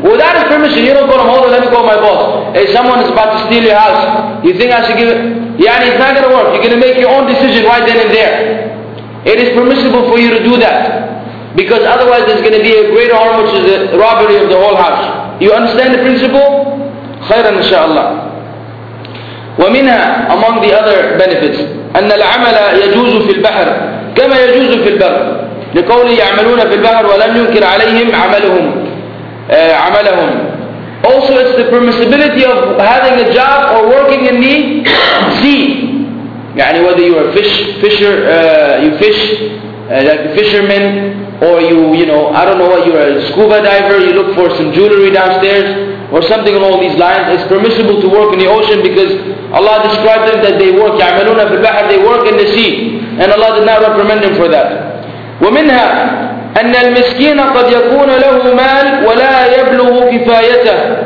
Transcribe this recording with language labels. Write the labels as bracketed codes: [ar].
[en] Without his permission, you don't call him, hold on, let me call my boss. Hey, someone is about to steal your house. You think I should give it? Yeah, it's not going to work. You're going to make your own decision right then and there. It is permissible for you to do that. Because otherwise there's going to be a greater harm, which is the robbery of the whole house. You understand the principle? Khairan, inshaAllah. [ar] ومنها, [en] among the other benefits, [ar] أن العمل يجوز في البحر كما يجوز في البر. لقوله يعملون في البحر ولم ينكر عليهم عملهم. عملهم. [en] Also, it's the permissibility of having a job or working in the sea. يعني whether you are fisher, you fish like a fisherman, or you are a scuba diver, you look for some jewelry downstairs, or something along these lines. It's permissible to work in the ocean because Allah described them that they work. [ar] يعملون في البحر, [en] they work in the sea, and Allah did not reprimand them for that. [ar] ومنها أن المسكين قد يكون له مال ولا يبلغ كفايته